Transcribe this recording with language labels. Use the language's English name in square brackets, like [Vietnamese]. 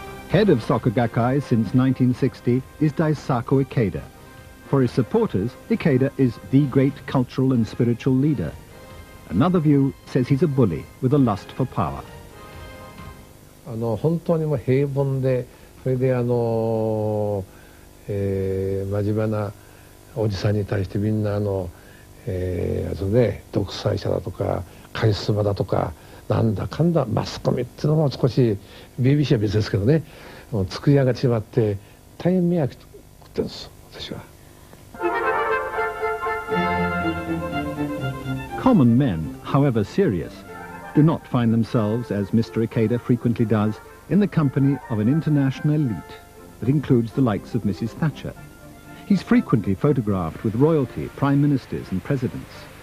[English] Head of Soka Gakkai since 1960 is Daisaku Ikeda. For his supporters, Ikeda is the great cultural and spiritual leader. Another view says he's a bully with a lust for power. [Japanese] おじさんに対してみんな独裁者だとかカリスマだとかなんだかんだマスコミっていうのも少し BBCは別ですけどね、作り上がっちまって大変迷惑食ってるんです私は。 [English] Common men, however serious, do not find themselves, as Mr. Ikeda frequently does, in the company of an international elite that includes the likes of Mrs. Thatcher. He's frequently photographed with royalty, prime ministers and presidents.